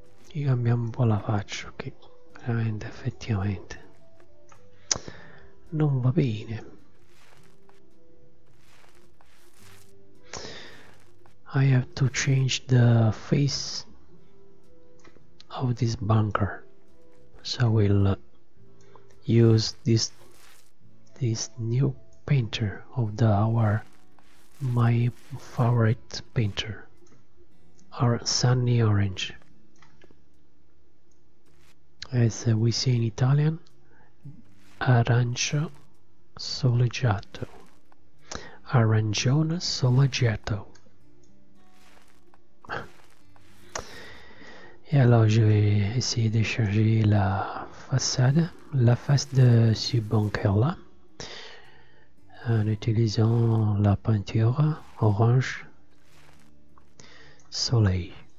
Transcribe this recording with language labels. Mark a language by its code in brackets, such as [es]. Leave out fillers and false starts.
[it] Gli cambia un po' la faccia, che veramente effettivamente non va bene. [en] I have to change the face of this bunker. So we'll use this new painter of the hour, my favorite painter, our sunny orange. As we say in Italian, [it] arancio soleggiato, arancione soleggiato. E allora [fr] je vais essayer de charger la façade, la face de ce bunker là, en utilisant la peinture orange soleil.